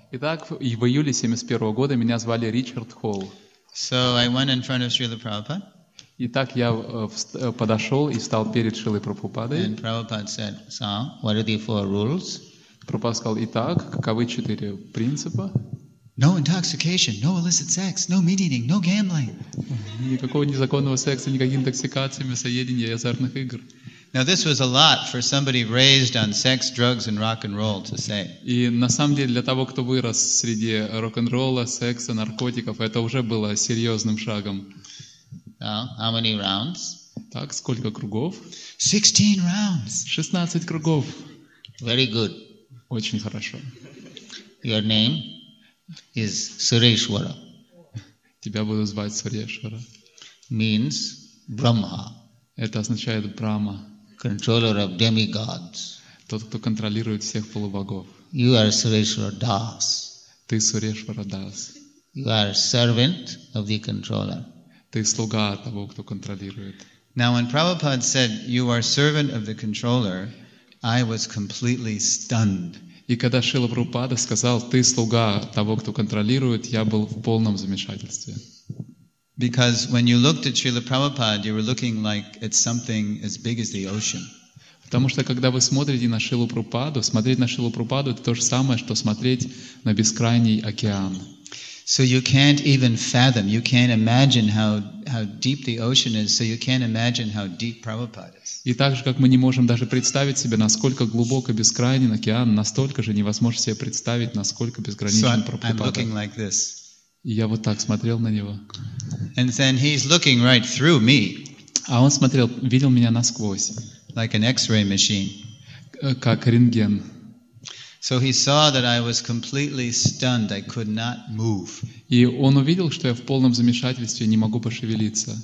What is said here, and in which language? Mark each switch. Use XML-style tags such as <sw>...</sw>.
<ru>Итак, в июле 71 года меня звали Ричард Холл.</ru> <en>So I went in front of Srila Prabhupada.</en> <ru>Итак, я подошел и встал перед Шрилой Прабхупадой.</ru> <en>And Prabhupada said, so, what are the four rules?</en> <ru>Прабхупада сказал, итак, каковы четыре принципа?</ru> <en>No intoxication, no illicit sex, no meat eating, no gambling.</en> <ru>Никакого незаконного секса, никакой интоксикации, мясоедения и азартных игр.</ru> <en>Now this was a lot for somebody raised on sex, drugs, and rock and roll to say.</en> <ru>И на самом деле для того, кто вырос среди рок-н-ролла, секса, наркотиков, это уже было серьезным шагом.</ru> <en>How many rounds?</en> <ru>Так, сколько кругов?</ru> <en>16 rounds.</en> <ru>16 кругов.</ru> <en>Very good.</en> <ru>Очень хорошо.</ru> <en>Your name is Сурейшвара.</en> <ru>Тебя будут звать Сурейшвара.</ru> <en>Means Brahma.</en> <ru>Это означает Брахма.</ru> <en>Controller of demigods.</en> <ru>Тот, кто контролирует всех полубогов.</ru> <en>You are Sureshwara Das.</en> <ru>Ты Сурейшвара Дас.</ru> <en>You are servant of the controller.</en> <ru>Ты слуга того, кто контролирует.</ru> <en>Now when Prabhupada said you are servant of the controller, I was completely stunned.</en> <ru>И когда Шрила Прабхупада сказал, ты слуга того, кто контролирует, я был в полном замешательстве.</ru> <en>Because when you looked at Srila Prabhupada, you were looking like at something as big as the ocean.</en> <ru>Потому что когда вы смотрите на Шрилу Прабхупаду, смотреть на Шрилу Прабхупаду это то же самое, что смотреть на бескрайний океан.</ru> <en>So you can't even fathom, you can't imagine how deep the ocean is, so you can't imagine how deep Prabhupada is.</en> <ru>И так же, как мы не можем даже представить себе, насколько глубок и бескрайний океан, настолько же невозможно себе представить, насколько безграничен Прабхупада.</ru> <en>So I'm looking like this.</en> <ru>И я вот так смотрел на него.</ru> <en>And then he's looking right through me.</en> <ru>А он смотрел, видел меня насквозь.</ru> <en>Like an X-ray machine.</en> <ru>Как рентген.</ru> <en>So he saw that I was completely stunned. I could not move.</en> <ru>И он увидел, что я в полном замешательстве, не могу пошевелиться.</ru>